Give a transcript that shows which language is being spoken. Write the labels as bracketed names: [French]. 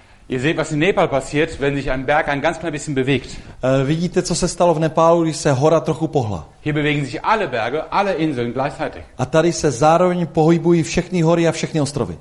[German] Ihr seht, was in Nepal passiert, wenn sich ein Berg ein ganz klein bisschen bewegt. [Czech] Vidíte, co se stalo v Nepálu, když se hora trochu pohla. [German] Hier bewegen sich alle Berge, alle Inseln gleichzeitig. [Czech] A tady se zároveň pohybují všechny hory a všechny ostrovy.